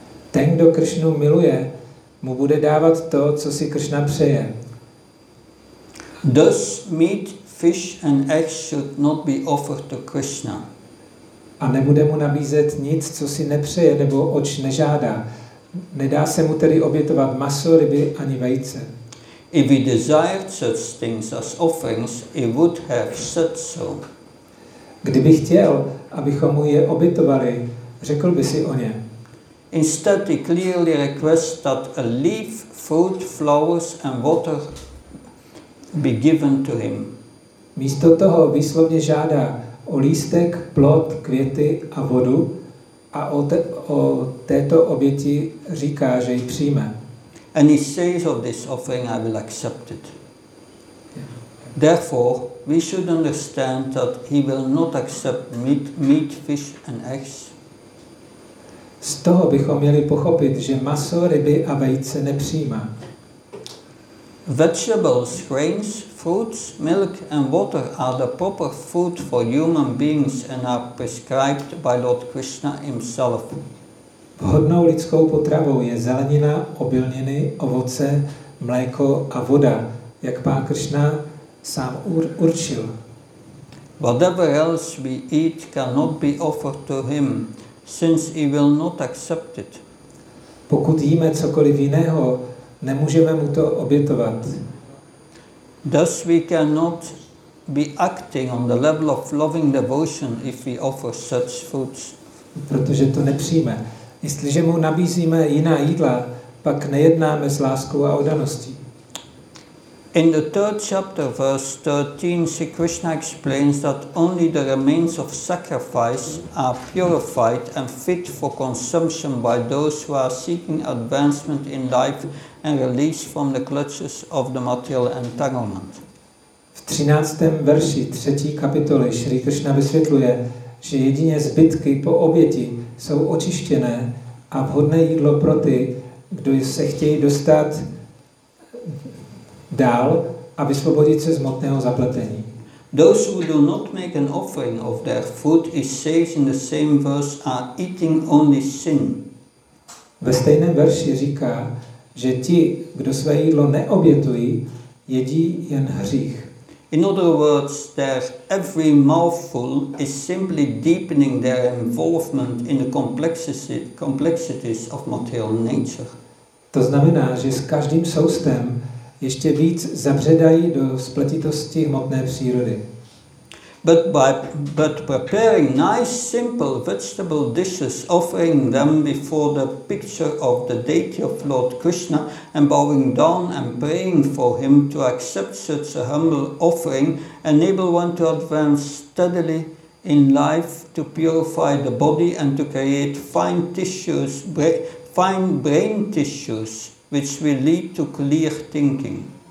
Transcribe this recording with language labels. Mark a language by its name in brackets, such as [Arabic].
[Czech] Ten, kdo Krishnu miluje, mu bude dávat to, co si Krishna přeje. [English] Thus meat, fish and eggs should not be offered to Krishna. [Czech] A nebude mu nabízet nic, co si nepřeje nebo oč nežádá. Nedá se mu tedy obětovat maso, ryby ani vejce. [English] If he desired such things as offerings, he would have said so. [Czech] Kdyby chtěl, abychom mu je obětovali, řekl by si o ně. [English] Instead, he clearly requests that a leaf, fruit, flowers and water be given to him. [Czech] Místo toho výslovně žádá o lístek, plod, květy a vodu a o této oběti říká, že ji přijme. [English] And he says of this offering, I will accept it. Therefore, we should understand that he will not accept meat, fish and eggs. [Czech] Z toho bychom měli pochopit, že maso, ryby a vejce nepřijímá. [English] Vegetables, grains, fruits, milk and water are the proper food for human beings and are prescribed by Lord Krishna himself. [Czech] Vhodnou lidskou potravou je zelenina, obilniny, ovoce, mléko a voda, jak pán Krishna sám určil. [English] Whatever else we eat cannot be offered to him, since he will not accept it. [Czech] Pokud jíme cokoliv jiného, nemůžeme mu to obětovat. [English] Thus we cannot be acting on the level of loving devotion if we offer such foods. [Czech] Protože to nepřijme. Jestliže mu nabízíme jiná jídla, pak nejednáme s láskou a oddaností. [English] In the third chapter, verse 13, Sri Krishna explains that only the remains of sacrifice are purified and fit for consumption by those who are seeking advancement in life and release from the clutches of the material entanglement. [Czech] V 13. verši 3. kapitoly Sri Krishna vysvětluje, že jedině zbytky po oběti jsou očištěné a vhodné jídlo pro ty, kdo se chtějí dostat dál a vysvobodit se z hmotného zapletení. [English] Those who do not make an offering of their food is saved in the same verse are eating only sin. [Czech] Ve stejném verši říká, že ti, kdo své jídlo neobětují, jedí jen hřích. [English] In other words, their every mouthful is simply deepening their involvement in the complexities of material nature. [Czech] To znamená, že s každým soustem ještě víc zabředají do spletitosti hmotné přírody. [English] But preparing nice simple vegetable dishes, offering them before the picture of the deity of Lord Krishna and bowing down and praying for him to accept such a humble offering, enable one to advance steadily in life, to purify the body and to create fine brain tissues which will lead to clear thinking.